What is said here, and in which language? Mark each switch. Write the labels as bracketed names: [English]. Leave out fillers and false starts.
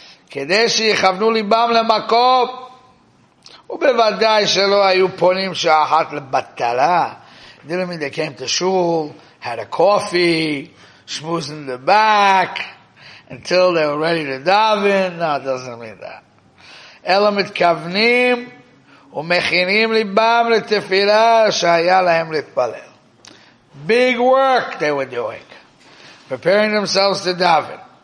[Hebrew] כדי שיכוונו ליבם למקום, ובוודאי שלא היו פונים שאחת לבטלה. [English] Didn't mean they came to shul, had a coffee, schmoozing the back, until they were ready to daven. No, it doesn't mean that. [Hebrew] אלא מתכוונים ומכינים ליבם לתפילה שהיה להם להתפלל. [English] Big work they were doing. Preparing themselves to daven.